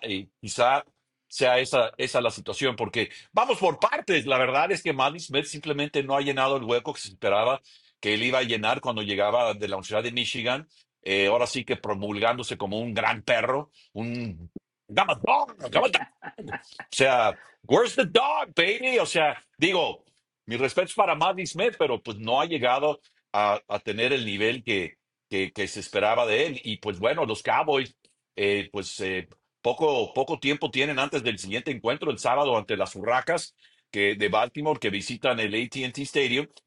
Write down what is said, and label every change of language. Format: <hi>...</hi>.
<es>Y quizá sea esa la situación, porque vamos por partes. La verdad es que Mazi Smith simplemente no ha llenado el hueco que se esperaba que él iba a llenar cuando llegaba de la Universidad de Michigan, ahora sí que promulgándose como un gran perro, un</es> <en>gamma dog, gamma dog.</en> <es>O sea,</es> <en>where's the dog, baby?</en> <es>O sea, digo, mis respetos para Mazi Smith, pero pues no ha llegado a tener el nivel que se esperaba de él. Y pues bueno, los Cowboys, poco tiempo tienen antes del siguiente encuentro, el sábado ante las Hurracas de Baltimore, que visitan el AT&T Stadium.</es>